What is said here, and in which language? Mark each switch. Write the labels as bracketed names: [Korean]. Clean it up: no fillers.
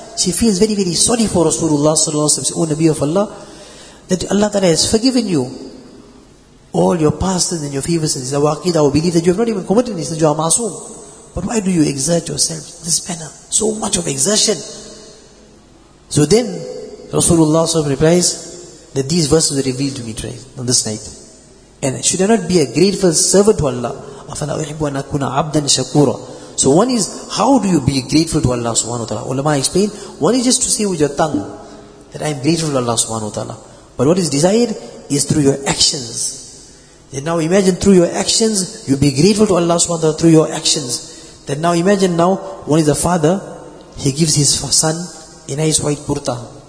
[English] She feels very, very sorry for Rasulullah sallallahu alayhi wa sallam. Oh Nabi of Allah, that Allah Ta'ala has forgiven you all your past and your favors and your aqidah or belief that you have not even committed in this, that you are masoom. But why do you exert yourself in this manner? So much of exertion. So then, Rasulullah replies that these verses were revealed to me on this night. And should I not be a grateful servant to Allah? [Arabic] أَفَلَا أُحِبُّ أَنْ أَكُونَ عَبْدًا شَكُورًا. [English] So one is, how do you be grateful to Allah subhanahu wa ta'ala? Ulama explain, one is just to say with your tongue that I am grateful to Allah subhanahu wa ta'ala. But what is desired is through your actions. And now imagine through your actions, you be grateful to Allah subhanahu wa ta'ala through your actions. Then now imagine now, one is a father, he gives his son a nice white kurta.